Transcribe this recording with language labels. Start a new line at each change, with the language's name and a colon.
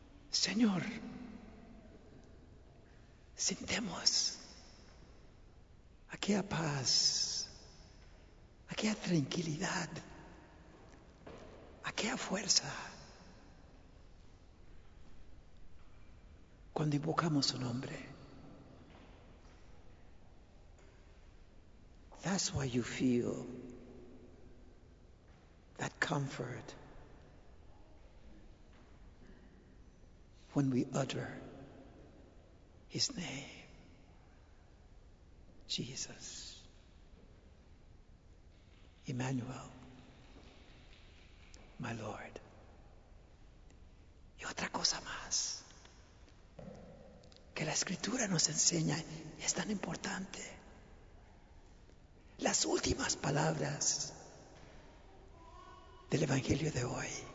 Spanish: Señor, sentemos aquella paz, aquella tranquilidad, aquella fuerza cuando invocamos su nombre.
English: That's why you feel that comfort when we utter His name, Jesus, Immanuel, my Lord.
Spanish: Y otra cosa más que la Escritura nos enseña es tan importante. Las últimas palabras del Evangelio de hoy.